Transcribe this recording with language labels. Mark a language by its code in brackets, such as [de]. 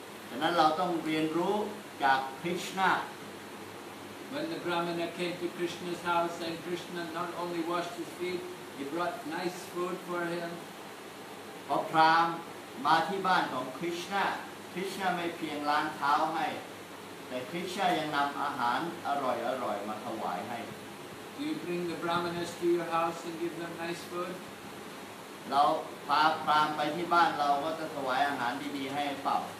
[th] ฉะนั้นเราต้องเรียนรู้จาก Krishna. [en] When the Brahmana came to Krishna's house and Krishna not only washed his feet, he brought nice food for him. [th] พอพรามมาที่บ้านของ Krishna, Krishna ไม่เพียงล้างเท้าให้แต่ Krishna ยังนำอาหารอร่อยๆมาถวายให้ [en] Do you bring the Brahmanas to your house and give them nice food? [th] เราพาพรามไปที่บ้านเราก็จะถวายอาหารดีๆให้เปล่า